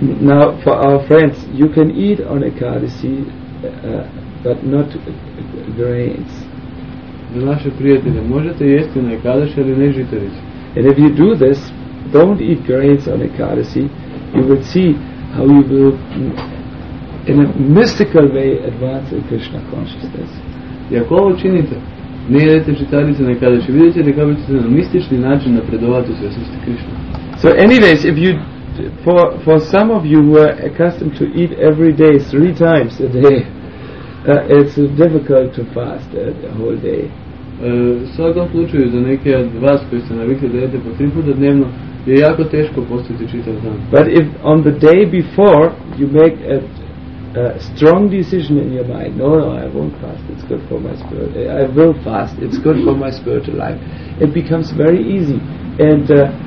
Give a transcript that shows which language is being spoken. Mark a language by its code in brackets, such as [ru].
[en] Now, for our friends, you can eat on Ekadasi, but not grains. [sr] Za naše prijatelje, možete jesti na Ekadasi, ali ne žitarice. [en] And if you do this, don't eat grains on Ekadasi, you will see how you will, in a mystical way, advance in Krishna consciousness. [sr] I ako ovo činite, ne jedete žitarice na Ekadasi, vidjet ćete kako ćete na mistični način napredovati u svjesnosti Krishna. [en] So anyways, if you for some of you who are accustomed to eat every day three times a day, it's difficult to fast a whole day. [sr] Svakom slučaju, za neke od vas koji ste navikli da jedete po tri puta dnevno, je jako teško postiti čitav dan. [en] But if on the day before you make a strong decision in your mind, no, I won't fast, it's good for my spirit, I will fast, it's good for my spiritual life, it becomes very easy, and